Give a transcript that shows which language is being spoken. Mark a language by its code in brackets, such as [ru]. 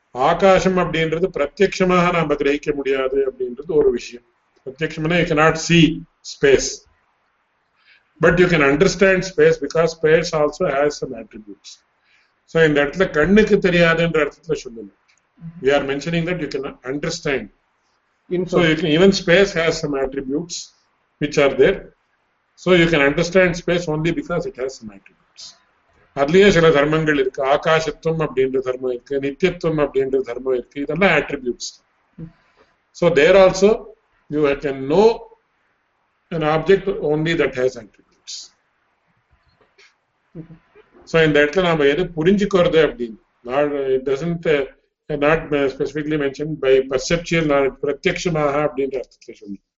[ta] ஆகாசம் அப்படின்றது பிரத்யக்ஷமாக நாம கிரகிக்க முடியாது அப்படின்றது ஒரு விஷயம். [en] பிரத்யக்ஷம்னா you cannot see space, but you can understand space because space also has some attributes. [ta] So இந்த இடத்துல கண்ணுக்கு தெரியாதுன்ற இடத்துல சொல்லணும். [en] We are mentioning that you can understand. So you can, even space has some attributes which are there. So you can understand space only because it has some attributes. [ta] அதுலயே சில தர்மங்கள் இருக்கு. ஆகாசத்துவம் அப்படின்ற தர்மம் இருக்கு, நித்தியத்துவம் அப்படின்ற தர்மம் இருக்கு, இதெல்லாம் attributes. [en] So there also you can know an object only that has attributes. So in that [ta] இடத்துல நாம எது புரிஞ்சுக்கிறது அப்படின்னு, [en] it doesn't not specifically mentioned by perceptual knowledge, pratyaksha maha abdindra arthatla shunni.